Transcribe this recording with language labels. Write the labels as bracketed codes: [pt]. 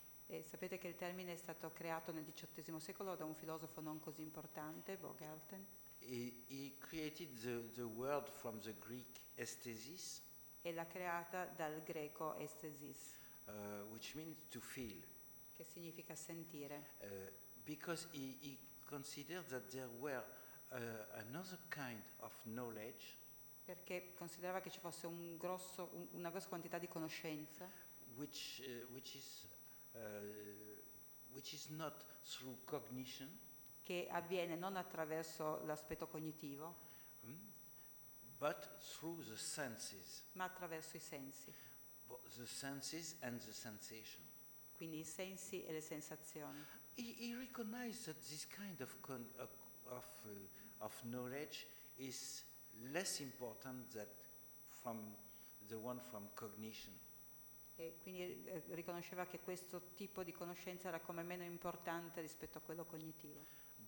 [it] E sapete che il termine è stato creato nel XVIII secolo da un filosofo non così importante, Baumgarten. [en] He created the word from the Greek aesthesis. [it] E l'ha creata dal greco aesthesis. [en] Which means to feel. [it] Che significa sentire. [en] Because he considered that there were another kind of knowledge. [it] Perché considerava che ci fosse un grosso, una grossa quantità di conoscenza. [en] Which is not through cognition. [it] Che avviene non attraverso l'aspetto cognitivo. [en] But through the senses. [it] Ma attraverso i sensi. [en] The senses and the sensation. [it] Quindi i sensi e le sensazioni. [en] He recognized that this kind of knowledge is less important than from the one from cognition. [it] E quindi riconosceva che questo tipo di conoscenza era come meno importante rispetto a quello cognitivo.